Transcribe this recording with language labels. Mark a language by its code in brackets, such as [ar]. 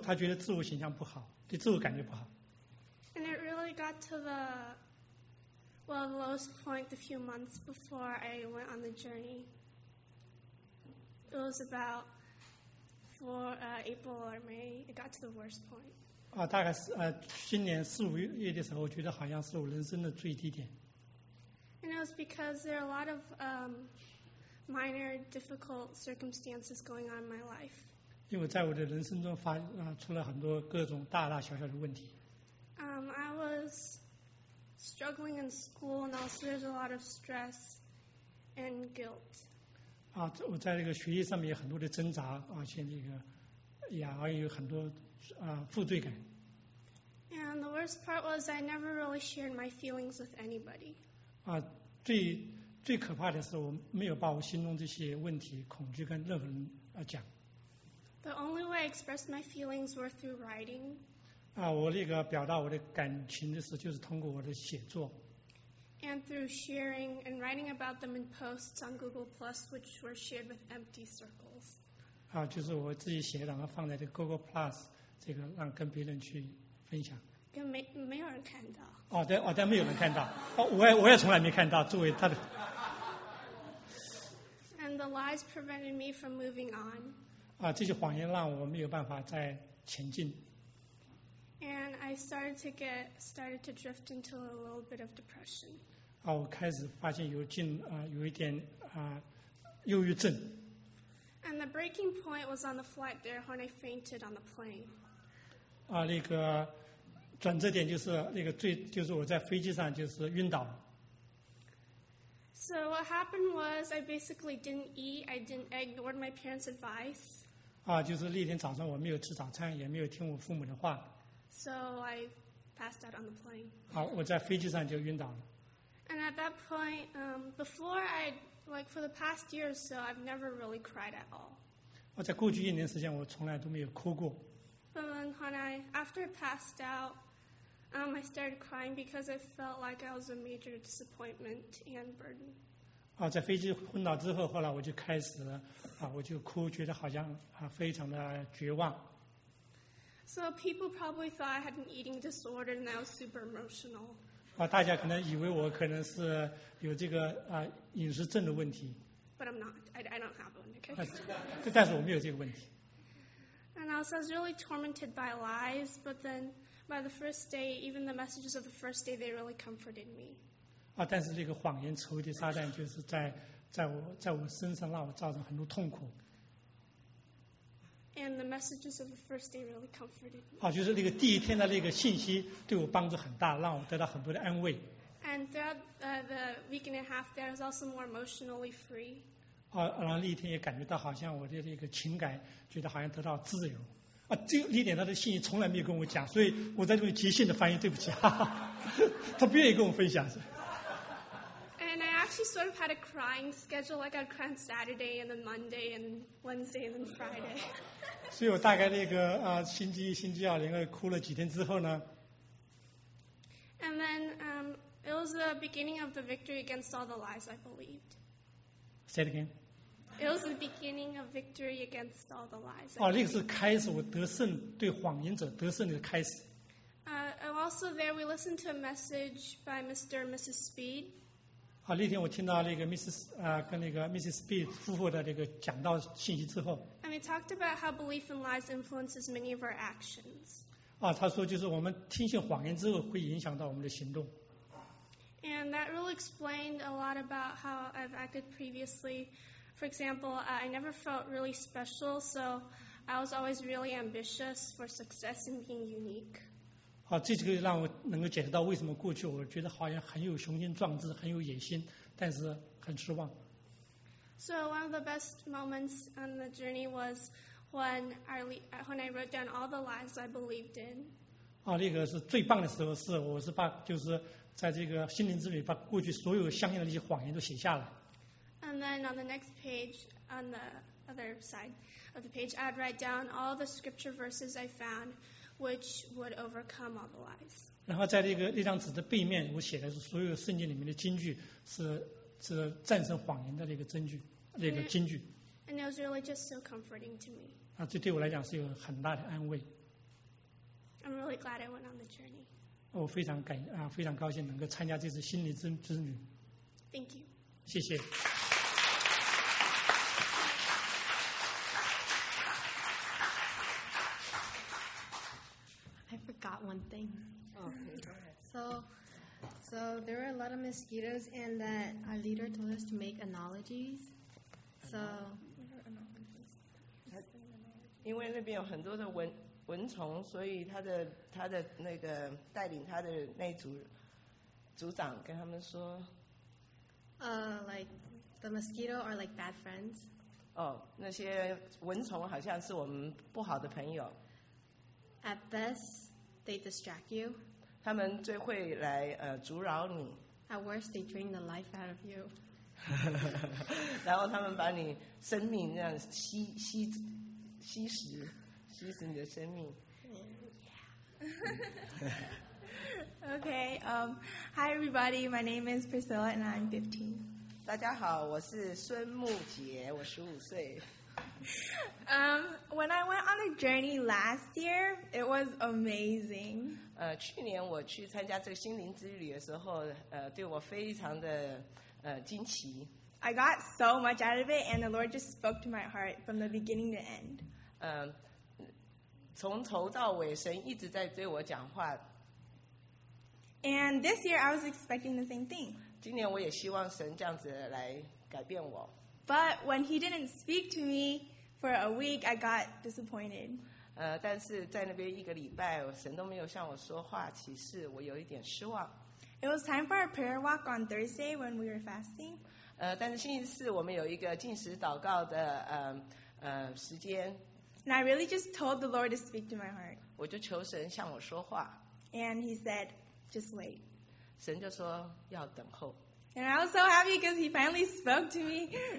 [zh] 他觉得自我形象不好，对自我感觉不好。 [en] And it really got to the, well, the lowest point a few months before I went on the journey. It was about April or May. It got to the worst point. [zh] 大概是今年四五月的时候，我觉得好像是我人生的最低点。 [en] And it was because there are a lot of minor difficult circumstances going on in my life. [zh] 因为在我的人生中发出了很多各种大大小小的问题。 [en] I was struggling in school and also there's a lot of stress and guilt. [zh] 我在这个学业上面有很多的挣扎，而且这个呀，还有很多负罪感。 [en] And the worst part was I never really shared my feelings with anybody. [zh] 最可怕的是，我没有把我心中这些问题、恐惧跟任何人讲。 [en] The only way I expressed my feelings were through writing. [zh] 我那个表达我的感情的时候，就是通过我的写作。 [en] And through sharing and writing about them in posts on Google Plus, which were shared with empty circles. [zh] 就是我自己写，然后放在这 Google Plus 这个，让跟别人去分享。没有人看到。但没有人看到。我也从来没看到，作为他的。 [en] And the lies prevented me from moving on. [zh] 这些谎言让我没有办法再前进。 [en] And I started to drift into a little bit of depression. [zh] 我开始发现有一点忧郁症。 [en] And the breaking point was on the flight there when I fainted on the plane. [zh] 那个。转折点就是那个最就是我在飞机上就是晕倒。 [en] So what happened was I basically didn't eat. I ignored my parents' advice. [zh] 啊，就是那天早上我没有吃早餐，也没有听我父母的话。 [en] So I passed out on the plane. [zh] 好，我在飞机上就晕倒了。 [en] And at that point, before I like for the past year or so, I've never really cried at all. [zh] 我在过去一年时间，我从来都没有哭过。 [en] But then when I after passed out, I started crying because I felt like I was a major disappointment and burden. [zh] 啊，在飞机昏倒之后，后来我就开始啊，我就哭，觉得好像啊，非常的绝望。 [en] So people probably thought I had an eating disorder and I was super emotional. [zh] 啊，大家可能以为我可能是有这个啊饮食症的问题。 [en] But I'm not. I don't have one. Okay. [zh] 但是我没有这个问题。 [en] And also I was really tormented by lies, but then by the first day, even the messages of the first day, they really comforted me. [zh] 啊，但是这个谎言仇敌撒旦就是在我身上让我造成很多痛苦。 [en] And the messages of the first day really comforted me. [zh] 啊，就是那个第一天的那个信息对我帮助很大，让我得到很多的安慰。 [en] And throughout the week and a half, there was also more emotionally free. [zh] 啊，然后那一天也感觉到好像我的这个情感，觉得好像得到自由。啊，这个一点他的信息从来没有跟我讲，所以我在这边即兴的翻译，对不起，哈哈，他不愿意跟我分享。 [en] And I actually sort of had a crying schedule, like I'd cry on Saturday and then Monday and Wednesday and then Friday. [zh] 所以我大概那个啊，星期一、星期二连着哭了几天之后呢 [en] ？And then it was the beginning of the victory against all the lies I believed. Say it again. It was the beginning of victory against all the lies. [zh] 哦，那个是开始，我得胜对谎言者得胜的开始。 [en] And also there we listened to a message by Mr. and Mrs. Speed. [zh] 好，那天我听到那个 Mrs. 啊，跟那个 Mrs. Speed 夫妇的这个讲道信息之后。 [en] And we talked about how belief in lies influences many of our actions. [zh] 啊，他说就是我们听信谎言之后会影响到我们的行动。 [en] And that really explained a lot about how I've acted previously. For example, I never felt really special, so I was always really ambitious for success and being unique. [zh] 好，这个让我能够解释到为什么过去我觉得好像很有雄心壮志，很有野心，但是很失望。 [en] So one of the best moments on the journey was when I wrote down all the lies I believed in. [zh] 啊，那个是最棒的时候，是我是把就是在这个心灵之旅把过去所有相信的那些谎言都写下了。 [en] And then on the next page, on the other side of the page, I'd write down all the scripture verses I found, which would overcome all the lies. [zh] 然后在那张纸的背面，我写的是所有圣经里面的金句，是战胜谎言的那个证据，那个金句。 [en] And it was really just so comforting to me. [zh] 啊，这对我来讲是有很大的安慰。 [en] I'm really glad I went on the journey. [zh] 我非常感啊，非常高兴能够参加这次心灵之旅。 [en] Thank you. [zh] 谢谢。 [en] Got one thing. So there were a lot of mosquitoes, and that our leader told us to make analogies. So, [zh] 因为那边有很多的蚊虫，所以他的那个带领他的那组长跟他们说， [en] like the mosquito are like bad friends. [zh] 哦，那些蚊虫好像是我们不好的朋友。 [en] At best. They distract you. [zh] 他们最会来阻扰你。 [en] At worst, they drain the life out of you. [zh] 然后他们把你生命这样吸食你的生命。 [en] Yeah. Okay. Hi, everybody. My name is Priscilla, and I'm 15. [zh] 大家好，我是孙木杰，我15岁。 [en] When I went on a journey last year, it was amazing. [zh] 去年我去参加这个心灵之旅的时候，对我非常的惊奇。 [en] I got so much out of it, and the Lord just spoke to my heart from the beginning to end. [zh] 从头到尾，神一直在对我讲话。 [en] And this year, I was expecting the same thing. [zh] 今年我也希望神这样子来改变我。 [en] But when he didn't speak to me for a week, I got disappointed. [zh] 但是在那边一个礼拜神都没有向我说话，其实我有一点失望。 [en] It was time for a prayer walk on Thursday when we were fasting. [zh] 但是星期四我们有一个禁食祷告的时间。 [en] And I really just told the Lord to speak to my heart. [zh] 我就求神向我说话。 [en] And he said, just wait. [zh] 神就说要等候。 [en] And I was so happy because he finally spoke to me.